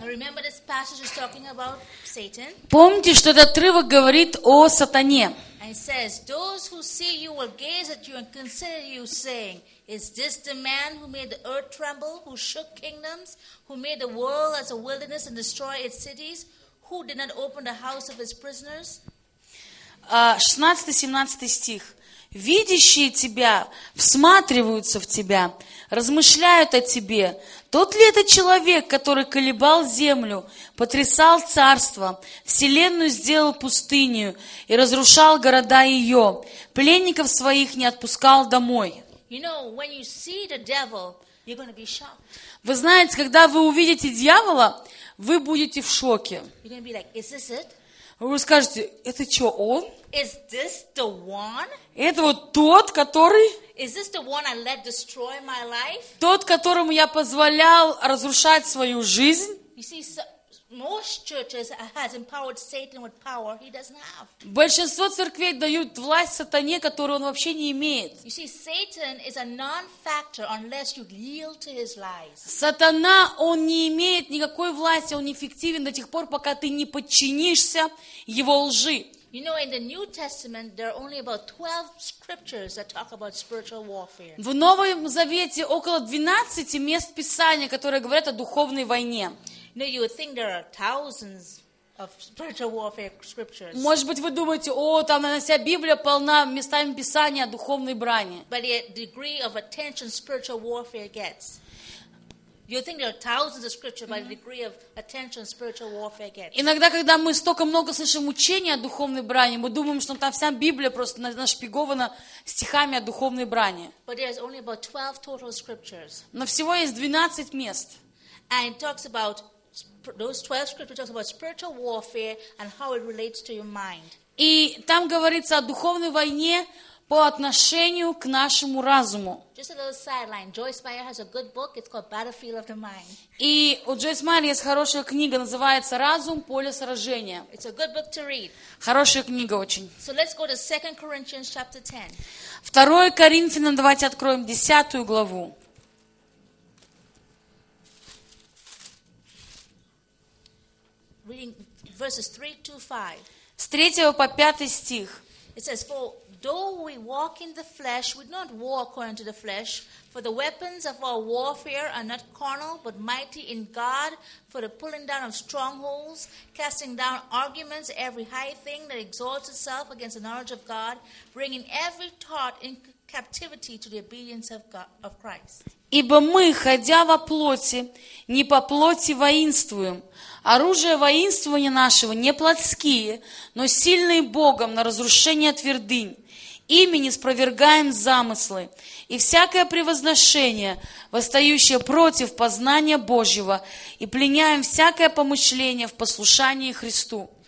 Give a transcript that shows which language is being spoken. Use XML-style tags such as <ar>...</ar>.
<en>Remember this passage is talking about Satan.</en> <ru>Помните, что этот отрывок говорит о сатане.</ru> <en>And it says, those who see you will gaze at you and consider you, saying, is this the man who made the earth tremble, who shook kingdoms, who made the world as a wilderness and destroyed its cities, who did not open the house of his prisoners?</en> <ru>16-17 стих. Видящие тебя всматриваются в тебя, размышляют о тебе. Тот ли это человек, который колебал землю, потрясал царство, вселенную сделал пустыню и разрушал города ее, пленников своих не отпускал домой?</ru> <en>You know, when you see the devil, you're gonna be shocked.</en> <ru>Вы знаете, когда вы увидите дьявола, вы будете в шоке.</ru> <en>You're gonna be like, is this it?</en> <ru>Вы скажете, это что, он?</ru> <en>Is this the one?</en> <ru>Это вот тот, который?</ru> <en>Is this the one I let destroy my life?</en> <ru>Тот, которому я позволял разрушать свою жизнь?</ru> <en>You see, most churches has empowered Satan with power he doesn't have.</en> <ru>Большинство церквей дают власть сатане, которую он вообще не имеет.</ru> <en>You see, Satan is a non-factor unless you yield to his lies.</en> <ru>Сатана, он не имеет никакой власти, он неэффективен до тех пор, пока ты не подчинишься его лжи.</ru> <en>You know, in the New Testament, there are only about 12 scriptures that talk about spiritual warfare.</en> <ru>В Новом Завете около 12 мест Писания, которые говорят о духовной войне.</ru> <en>No, you would think there are thousands of spiritual warfare scriptures.</en> <ru>Может быть, вы думаете, о, там на вся Библия полна местами Писания о духовной брани.</ru> <en>But the degree of attention spiritual warfare gets. You think there are thousands of scriptures, but the degree of attention spiritual warfare gets.</en> <ru>Иногда, когда мы столько много слышим учения о духовной брани, мы думаем, что там вся Библия просто нашпигована стихами о духовной брани.</ru> <en>But there's only about 12 total scriptures.</en> <ru>Но всего есть 12 мест.</ru> <en>And it talks about those 12 scriptures talks about spiritual warfare and how it relates to your mind.</en> <ru>И там говорится о духовной войне по отношению к нашему разуму.</ru> <en>Just a little sideline. Joyce Meyer has a good book. It's called Battlefield of the Mind.</en> <ru>И у Joyce Meyer есть хорошая книга, называется «Разум. Поле сражения».</ru> <en>It's a good book to read.</en> <ru>Хорошая книга очень.</ru> <en>So let's go to 2 Corinthians chapter 10.</en> <ru>2 Коринфянам, давайте откроем 10 главу.</ru> <en>Reading verses 3-5.</en> <ru>С 3 по 5 стих.</ru> <en>It says, for though we walk in the flesh, we do not war according to the flesh, for the weapons of our warfare are not carnal, but mighty in God, for the pulling down of strongholds, casting down arguments, every high thing that exalts itself against the knowledge of God, bringing every thought in captivity to the obedience of God, of Christ.</en> <ru>Ибо мы, ходя во плоти, не по плоти воинствуем. Оружие воинствования нашего не плотские, но сильные Богом на разрушение твердынь. Ими не спровергаем замыслы. И всякое превозношение, восстающее против познания Божьего, и пленяем всякое помышление в послушании Христу.</ru>